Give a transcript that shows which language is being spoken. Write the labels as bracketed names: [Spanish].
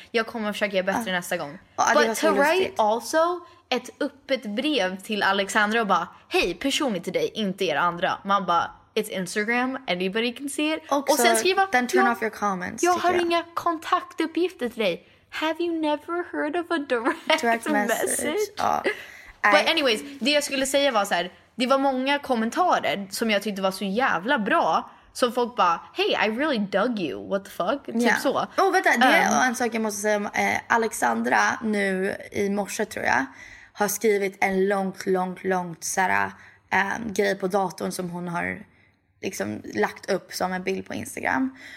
[Swedish] Jag kommer att försöka göra bättre nästa gång. [English] But to write [Swedish] also ett öppet brev till Alexandra och bara, hej, personligt till dig, inte er andra. Man bara... [English] It's Instagram, anybody can see it. [Swedish] Också, och sen skriva, [English] then turn off your comments. [Swedish] Jag har inga kontaktuppgifter till dig. [English] Have you never heard of a direct message? But anyways, [Swedish] det jag skulle säga var så här, det var många kommentarer som jag tyckte var så jävla bra, som folk bara, [English] hey, I really dug you, what the fuck, [Swedish] typ så. [English] Oh, [Swedish] vänta, det är en sak jag måste säga. Alexandra nu i morse tror jag, har skrivit en långt så här, grej på datorn som hon har liksom lagt upp som en bild på Instagram.